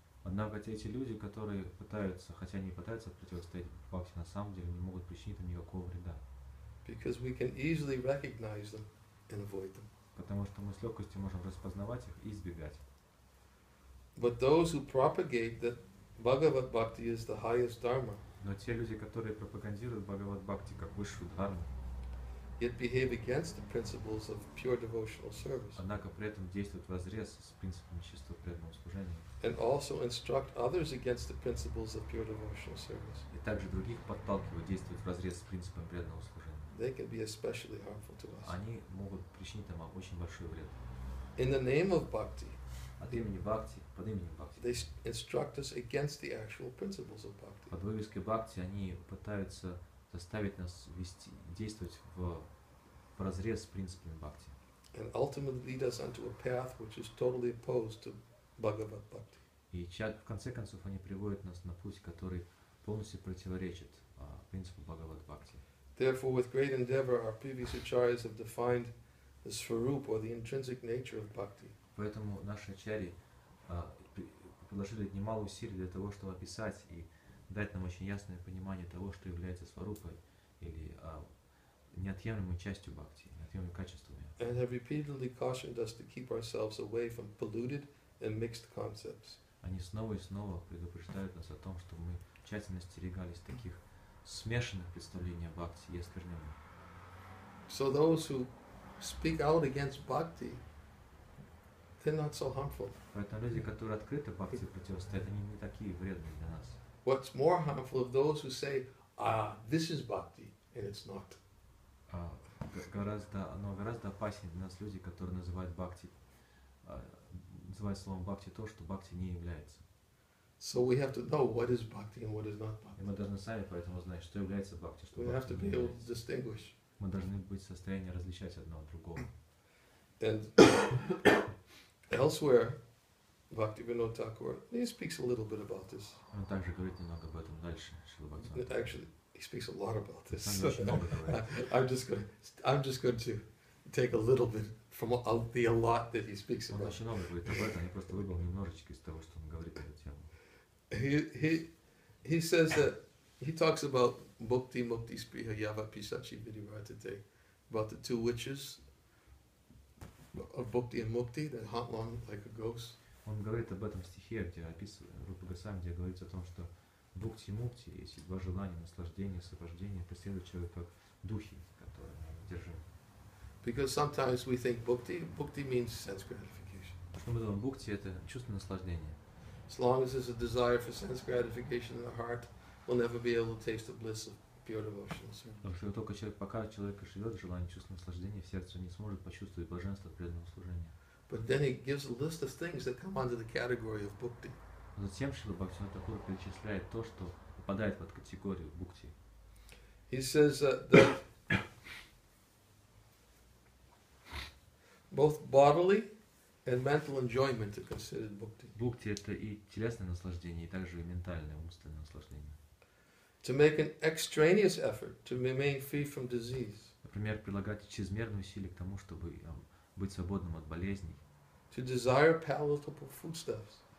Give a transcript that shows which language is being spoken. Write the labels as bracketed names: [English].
[Russian] Однако эти люди, которые пытаются, хотя они пытаются противостоять бхакти, на самом деле не могут причинить им никакого вреда. [English] Because we can easily recognize them and avoid them. [Russian] Потому что мы с легкостью можем распознавать их и избегать. [English] But those who propagate that Bhagavad Bhakti is the highest dharma. [Russian] Но те люди, которые пропагандируют Бхагавад Бхакти как высшую дхарму, [English] yet behave against the principles of pure devotional service. [Russian] Однако при этом действуют возрез с принципами чистого преданного служения. [English] And also instruct others against the principles of pure devotional service. [Russian] И также других подталкивают действовать возрез с принципами преданного служения. [English] They can be especially harmful to us. [Russian] Они могут причинить нам очень большой вред. [English] In the name of bhakti. [Russian] От имени бхакти, под именем бхакти. [English] They instruct us against the actual principles of bhakti. [Russian] Под вывеской бхакти они пытаются заставить нас вести, действовать в разрез с принципами бхакти. [English] And ultimately lead us onto a path which is totally opposed to Bhagavad Bhakti. [Russian] И в конце концов они приводят нас на путь, который полностью противоречит принципу Бхагавад Бхакти. [English] Therefore, with great endeavor, our previous acharyas have defined the svarup or the intrinsic nature of bhakti. [Russian] Поэтому наши ачарьи приложили немало усилий для того, чтобы описать и дать нам очень ясное понимание того, что является сварупой или неотъемлемой частью бхакти, неотъемлемыми качествами. [English] And have repeatedly cautioned us to keep ourselves away from polluted and mixed concepts. [Russian] Они снова и снова предупреждают нас о том, чтобы мы тщательно остерегались таких смешанных представлений о бхакти и оскверненных. [English] So those who speak out against bhakti, they're not so harmful. [Russian] Поэтому люди, которые открыто бхакти противостоят, они не такие вредные для нас. [English] What's more harmful of those who say, this is bhakti, and it's not. [Russian] Гораздо опаснее для нас люди, которые называют бхакти, называют словом бхакти то, что бхакти не является. [English] So we have to know what is bhakti and what is not bhakti. [Russian] И мы должны сами поэтому знать, что является бхакти, что [English] we [Russian] бхакти [English] have to [Russian] не [English] be [Russian] является. [English] Able to distinguish. [Russian] Мы должны быть в состоянии различать одно от другого. [English] And elsewhere, Bhaktivinoda Thakur, he speaks a little bit about this. [Russian] Он также говорит немного об этом дальше, Шрила Бхактивинода. [English] Actually, he speaks a lot about this. [Russian] Он очень много говорит. [English] I'm just going to take a little bit from the a lot that he speaks about. [Russian] Он очень много говорит об этом, я просто выбрал немножечко из того, что он говорит на эту тему. [English] He says that he talks about Bhakti Mukti Spriha Yava Pisachi Vidivartite, about the two witches of Bhakti and Mukti that hunt long like a ghost. [Russian] Он говорит об этом в стихе, где описывает Рупа Госвами, где говорится о том, что бхукти и мукти, есть два желания, наслаждение, освобождение, преследуют человека как духи, которые держимы. [English] Because sometimes we think bhukti means sense gratification. [Russian] Что мы думаем, бхукти это чувство наслаждения. [English] As long as there's a desire for sense gratification in the heart, we'll never be able to taste the bliss of pure devotional service. [Russian] Потому что только человек, пока человек живет желание чувства наслаждения, в сердце не сможет почувствовать блаженство преданного служения. [English] But then he gives a list of things that come under the category of bhakti. [Russian] Затем Шрила Бхактивинода Тхакур перечисляет то, что попадает под категорию бхакти. [English] He says that both bodily and mental enjoyment are considered bhakti. [Russian] Бхакти это и телесное наслаждение, и также и ментальное, умственное наслаждение. [English] To make an extraneous effort to remain free from disease. [Russian] Например, прилагать чрезмерные усилия к тому, чтобы быть свободным от болезней. [English] To desire palatable foodstuffs.